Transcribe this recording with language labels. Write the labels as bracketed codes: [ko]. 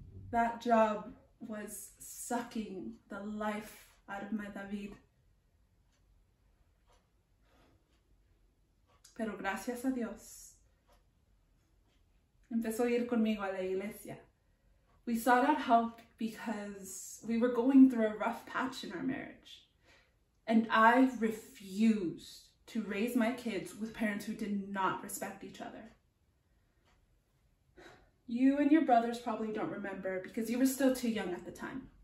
[en] That job was sucking the life out of my David. [es] Pero gracias a Dios, empezó a ir conmigo a la iglesia. [en] We sought out help because we were going through a rough patch in our marriage. And I refused to raise my kids with parents who did not respect each other. You and your brothers probably don't remember because you were still too young at the time.